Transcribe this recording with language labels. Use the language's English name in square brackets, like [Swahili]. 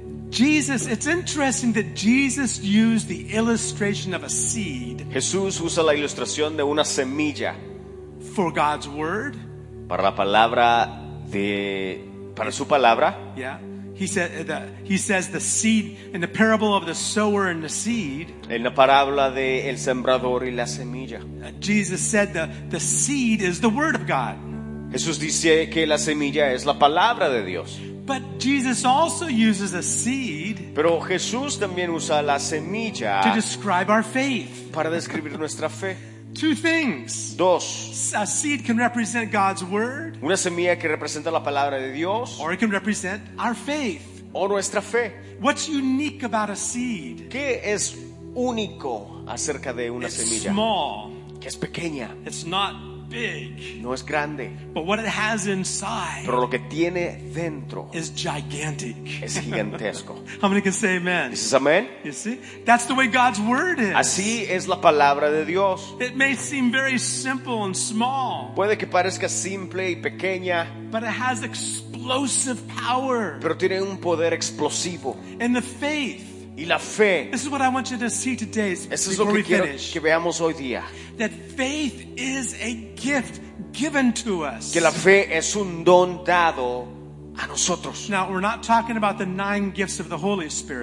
[English] Jesus, it's interesting that Jesus used the illustration of a seed. [Spanish] Jesús usa la ilustración de una semilla. [English] For God's word. [Spanish] Para la palabra para su palabra. [English] Yeah. He says the seed in the parable of the sower and the seed. [Spanish] En la parábola de el sembrador y la semilla. [English] Jesus said the seed is the word of God. [Spanish] Jesús dice que la semilla es la palabra de Dios. [English] But Jesus also uses a seed. [Spanish] Pero Jesús también usa la semilla [English] to describe our faith. [Spanish] Para describir nuestra fe. [English] Two things. [Spanish] Dos. [English] A seed can represent God's word. [Spanish] Una semilla que representa la palabra de Dios. [English] Or it can represent our faith. [Spanish] O nuestra fe. [English] What's unique about a seed? [Spanish] ¿Qué es único acerca de una semilla? [English] It's small. [Spanish] Que es pequeña. [English] It's not big. [Spanish] No es grande. [English] But what it has inside. [Spanish] Pero lo que tiene dentro. [English] Is gigantic. [Spanish] Es gigantesco. [English] How many can say amen? [Spanish] Dices amén. [English] You see? That's the way God's word is. [Spanish] Así es la palabra de Dios. [English] It may seem very simple and small. [Spanish] Puede que parezca simple y pequeña. [English] But it has explosive power. [Spanish] Pero tiene un poder explosivo. [English] And the faith. [Spanish] Y la fe. [English] This is what I want you to see today. [Spanish] Eso es lo que quiero que veamos hoy día. [English] That faith is a gift given to us. [Spanish] Que la fe es un don dado a nosotros. [English] Now we're not talking about the nine gifts of the Holy Spirit.